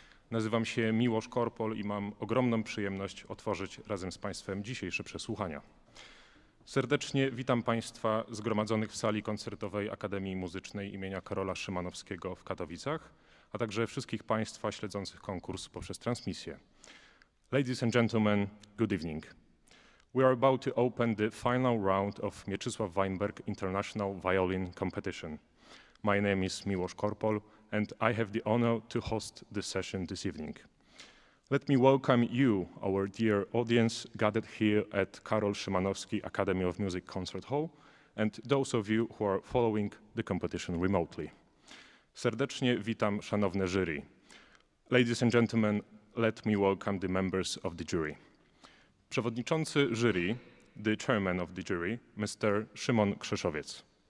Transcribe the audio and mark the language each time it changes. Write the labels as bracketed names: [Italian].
[Polish] Nazywam się Miłosz Korpol i mam ogromną przyjemność otworzyć razem z Państwem dzisiejsze przesłuchania. Serdecznie witam Państwa zgromadzonych w sali koncertowej Akademii Muzycznej imienia Karola Szymanowskiego w Katowicach, a także wszystkich Państwa śledzących konkurs poprzez transmisję. [English] Ladies and gentlemen, good evening. We are about to open the final round of Mieczysław Wajnberg International Violin Competition. My name is Miłosz Korpol and I have the honor to host this session this evening. Let me welcome you, our dear audience, gathered here at Karol Szymanowski Academy of Music Concert Hall and those of you who are following the competition remotely. [Polish] Serdecznie witam szanowne jury. [English] Ladies and gentlemen, let me welcome the members of the jury. [Polish] Przewodniczący jury, [English] the chairman of the jury, Mr. Szymon Krzeszowiec.